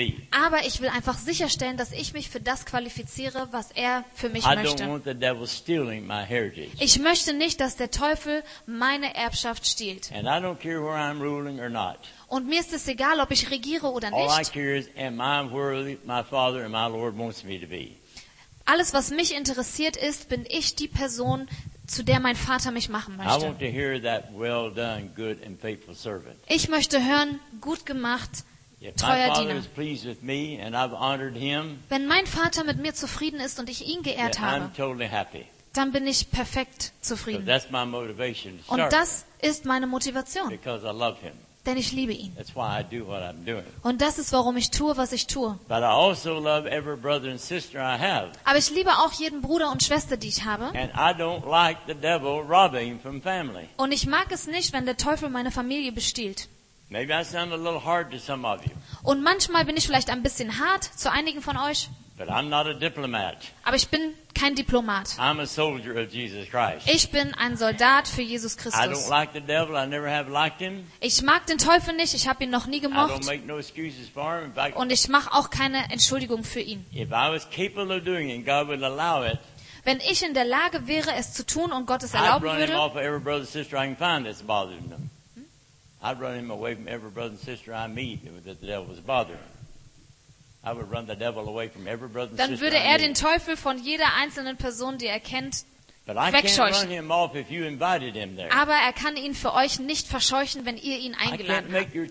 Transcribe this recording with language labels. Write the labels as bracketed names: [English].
[German] Aber ich will einfach sicherstellen, dass ich mich für das qualifiziere, was er für mich [English] I [German] möchte. [English] Don't want the devil stealing my heritage. [German] Ich möchte nicht, dass der Teufel meine Erbschaft stiehlt. [English] And I don't care where I'm ruling or not. [German] Und mir ist es egal, ob ich regiere oder nicht. [English] All I care is, am I worthy, my Father and my Lord wants me to be. [German] Alles, was mich interessiert ist, bin ich die Person, zu der mein Vater mich machen möchte. [English] I want to hear that well done, good and faithful servant. [German] Ich möchte hören, gut gemacht, treuer Diener. Wenn mein Vater mit mir zufrieden ist und ich ihn geehrt habe, dann bin ich perfekt zufrieden. [English] So that's my motivation, [German] und das ist meine Motivation. [English] Because I love him. [German] Denn ich liebe ihn. [English] That's why I do what I'm doing. [German] Und das ist, warum ich tue, was ich tue. [English] But I also love every brother and sister I have. [German] Aber ich liebe auch jeden Bruder und Schwester, die ich habe. [English] And I don't like the devil robbing from family. [German] Und ich mag es nicht, wenn der Teufel meine Familie bestiehlt. [English] Maybe I sound a little hard to some of you. [German] Und manchmal bin ich vielleicht ein bisschen hart zu einigen von euch. [English] But I'm not a diplomat. [German] Aber ich bin kein Diplomat. [English] I'm a soldier of Jesus Christ. [German] Ich bin ein Soldat für Jesus Christus. [English] I don't like the devil. I never have liked him. [German] Ich mag den Teufel nicht. Ich habe ihn noch nie gemocht. [English] I don't make no excuses for him. Fact, [German] und ich mache auch keine Entschuldigung für ihn. [English] If I was capable of doing it, God would allow it. [German] Wenn ich in der Lage wäre, es zu tun und Gott es erlauben würde, [English] I'd run him off of every brother and sister I can find that's bothering them. I'd run him away from every brother and sister I meet that the devil was bothering. I would run the devil away from every brother and sister. [German] Dann würde er den Teufel von jeder einzelnen Person, die er kennt, wegscheuchen. Aber er kann ihn für euch nicht verscheuchen, wenn ihr ihn eingeladen habt.